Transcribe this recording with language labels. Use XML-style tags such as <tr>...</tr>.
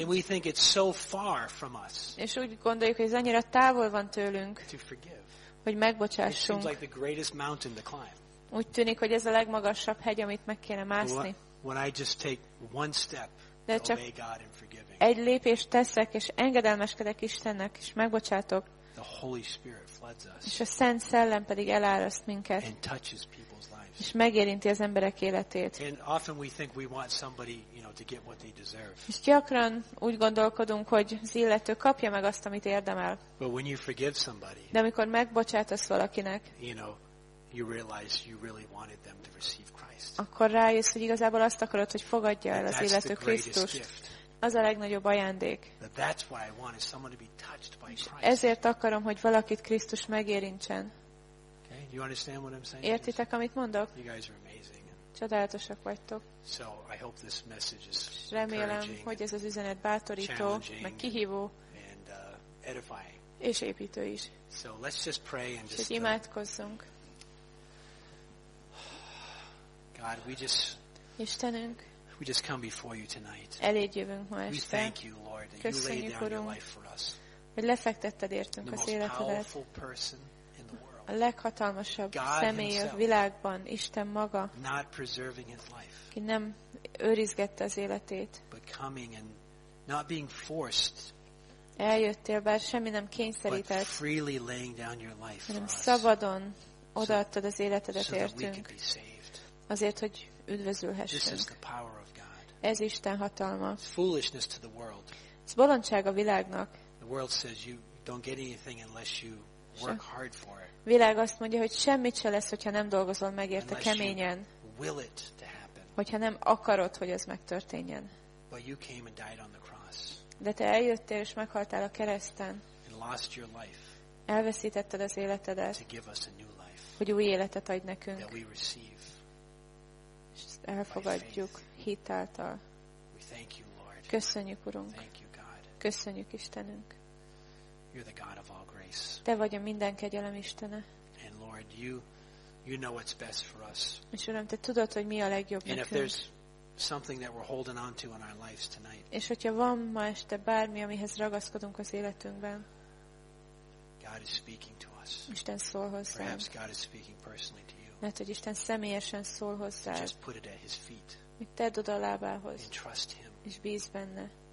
<en>And we think it's so far from us.</en> <hu>És úgy gondoljuk, hogy ez annyira távol van tőlünk,</hu> <en>to forgive.</en> <hu>Hogy megbocsássunk.</hu> <en>It seems like the greatest mountain to climb.</en> <hu>Úgy tűnik, hogy ez a legmagasabb hegy, amit meg kéne mászni.</hu> <en>When I just take one step to obey God in forgiving.</en> <hu>Egy lépést teszek, és engedelmeskedek Istennek, és megbocsátok.</hu> <en>The Holy Spirit floods us.</en> <hu>És a Szent Szellem pedig eláraszt minket.</hu> <en>And touches people.</en> <hu>És megérinti az emberek életét.</hu> <en>And often we think we want somebody, you know, to get what they deserve.</en> <hu>És gyakran úgy gondolkodunk, hogy az illető kapja meg azt, amit érdemel.</hu> <en>But when you forgive somebody,</en> <hu>de amikor megbocsátasz valakinek,</hu> <en>you know, you realize you really wanted them to receive Christ.</en> <hu>Akkor rájössz, hogy igazából azt akarod, hogy fogadja el az illető Krisztust. Az a legnagyobb ajándék.</hu> <en>That's why I want someone to be touched by Christ.</en> <hu>Ezért akarom, hogy valakit Krisztus megérintsen.</hu> <en>You understand what I'm saying?</en> <hu>Értitek, amit mondok?</hu> <en>You guys are amazing.</en> <hu>Csodálatosak vagytok.</hu> <en>So I hope this message is encouraging.</en> <hu>Remélem, hogy ez az üzenet bátorító, meg kihívó.</hu> <en>And edifying.</en> <hu>És építő is.</hu> <en>So let's just pray and just</en> <hu>imádkozzunk.</hu> <en>God, we just</en> <hu>Istenünk.</hu> <en>We just come before you tonight.</en> <hu>Eléd jövünk ma este.</hu> <en>We thank you, Lord, that you laid down your life for us.</en> <hu>Hogy lefektetted értünk az életedet.</hu> <en>The most powerful person in the world.</en> <hu>A leghatalmasabb személy a világban, Isten maga.</hu> <en>Not preserving his life.</en> <hu>Ki nem őrizgette az életét.</hu> <en>But coming and not being forced.</en> <hu>Eljöttél, bár semmi nem kényszerített.</hu> <en>But freely laying down your life for us.</en> <hu>Szabadon odaadtad az életedet értünk. Azért, hogy üdvözülhessünk. Ez Isten hatalma.</hu> <en>Foolishness to the world.</en> <hu>Ez bolondság a világnak.</hu> <en>The world says you don't get anything unless you work hard for it.</en> <hu>Világ azt mondja, hogy semmit se lesz, hogyha nem dolgozol megérte keményen.</hu> <en>Will it to happen.</en> <hu>Hogyha nem akarod, hogy ez megtörténjen.</hu> <en>But you came and died on the cross.</en> <hu>De te eljöttél és meghaltál a kereszten.</hu> <en>And lost your life.</en> <hu>Elveszítetted az életedet.</hu> <en>To give us a new life.</en> <hu>Hogy új életet adj nekünk.</hu> <en>That we receive.</en> <hu>És ezt elfogadjuk hit által.</hu> <en>We thank you, Lord.</en> <hu>Köszönjük, Urunk.</hu> <en>Thank you, God.</en> <hu>Köszönjük, Istenünk.</hu> <en>You're the God of all grace.</en> <hu>Te vagy a minden kegyelem Istene.</hu> <en>And Lord, you know what's best for us.</en> <hu>És Uram, te tudod, hogy mi a legjobb nekünk.</hu> <en>And if there's something that we're holding on to in our lives tonight.</en> <hu>És hogyha van ma este bármi, amihez ragaszkodunk az életünkben.</hu> <en>God is speaking to us.</en> <hu>Isten szól hozzánk.</hu> <en>Perhaps God is speaking personally to you.</en> <hu>Lehet, hogy Isten személyesen szól hozzád.</hu> <en>Just put it at his feet.</en> <hu>Mit tedd oda a lábához.</hu> <en>And trust him.</en> <hu>És bízz benne.</hu>